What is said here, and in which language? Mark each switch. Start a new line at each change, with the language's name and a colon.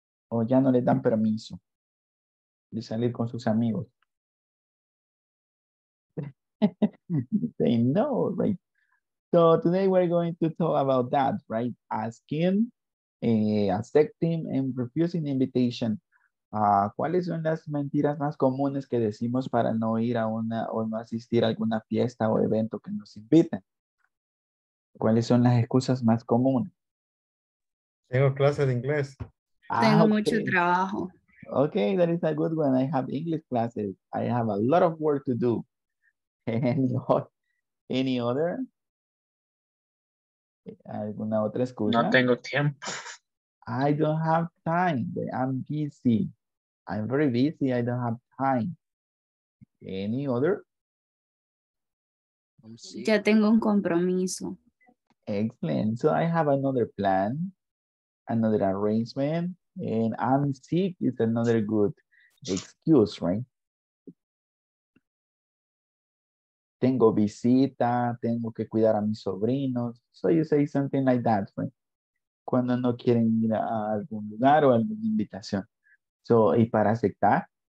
Spanish: O ya no le dan permiso de salir con sus amigos.
English: They know, right? So today we're going to talk about that, right? Asking, accepting, and refusing invitation.
Spanish: ¿Cuáles son las mentiras más comunes que decimos para no ir a una o no asistir a alguna fiesta o evento que nos inviten? ¿Cuáles son las excusas más comunes? Tengo clases de inglés. Tengo mucho
English: okay.
Spanish: trabajo.
English: Okay, that is a good one. I have English classes. I have a lot of work to do. Any other?
Spanish: ¿Alguna otra excusa? No tengo tiempo.
English: I don't have time. I'm busy. I'm very busy. I don't have time. Any other?
Spanish: Ya tengo un compromiso.
English: Excellent. So I have another plan, another arrangement. And I'm sick is another good excuse, right?
Spanish: Tengo visita, tengo que cuidar a mis sobrinos.
English: So you say something like that, right?
Spanish: Cuando no quieren ir a algún lugar o alguna invitación. So, ¿y para aceptar?